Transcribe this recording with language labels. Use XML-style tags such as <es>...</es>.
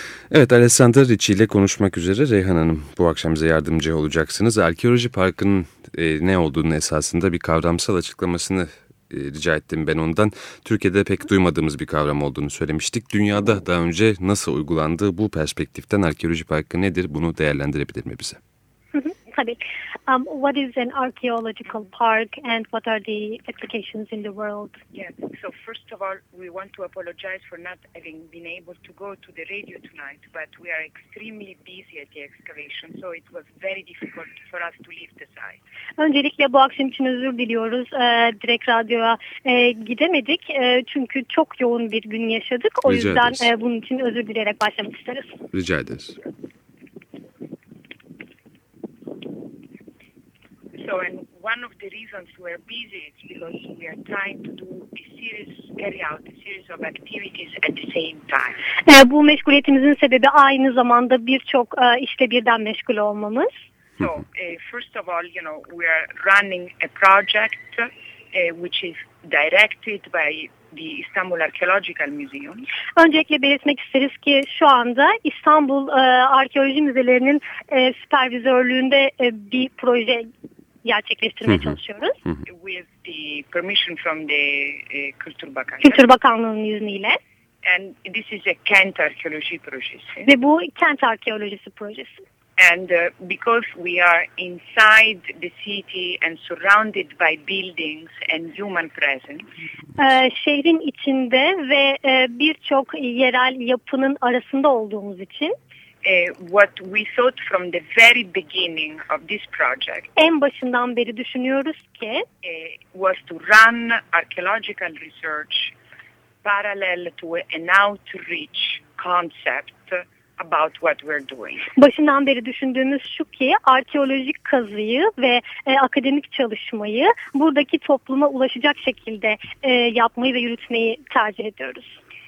<tr>Evet, Alessandra Ricci ile konuşmak üzere. Reyhan Hanım, bu akşam bize yardımcı olacaksınız. Arkeoloji parkının ne olduğunu esasında bir kavramsal açıklamasını rica ettim ben ondan. Türkiye'de pek duymadığımız bir kavram olduğunu söylemiştik. Dünyada daha önce nasıl uygulandığı, bu perspektiften arkeoloji parkı nedir? Bunu değerlendirebilir mi bize? Tabii.</tr> <en>What is an archaeological park and what are the applications in the world? Yes. So first of all, we want to apologize for not having been able to go to the radio tonight, but we are extremely busy at the excavation, so it was very difficult for us to leave the site.</en> <tr>Öncelikle bu akşam için özür diliyoruz. Direkt radyoya gidemedik çünkü çok yoğun bir gün yaşadık. O Rica yüzden ederiz. Bunun için özür dileyerek başlamak isteriz. Rica ederiz.</tr> <en>So, and one of the reasons we are busy is because we are trying to do a series, carry out a series of activities at the same time.</en> <tr>Bu meşguliyetimizin sebebi aynı zamanda birçok işte birden meşgul olmamız.</tr> <en>So, first of all, you know, we are running a project which is directed by the Istanbul Archaeological Museum.</en> <tr>Öncelikle belirtmek isteriz ki şu anda İstanbul Arkeoloji Müzelerinin süpervizörlüğünde bir proje gerçekleştirmeye çalışıyoruz.</tr> <en>With the permission from the Kültür Bakanlığı.</en> <tr>Kültür Bakanlığı'nın izniyle.</tr> <en>And this is a Kent Arkeoloji projesi.</en> <tr>Ve bu Kent Arkeolojisi projesi.</tr> <en>And because we are inside the city and surrounded by buildings and human presence.</en> <tr>Şehrin içinde ve birçok yerel yapının arasında olduğumuz için.</tr> <en>What we thought from the very beginning of this project.</en> <tr>En başından beri düşünüyoruz ki.</tr> <en>Was to run archaeological research parallel to an outreach concept about what we're doing.</en> <tr>Başından beri düşündüğümüz şu ki arkeolojik kazıyı ve akademik çalışmayı buradaki topluma ulaşacak şekilde yapmayı ve yürütmeyi tercih ediyoruz.</tr>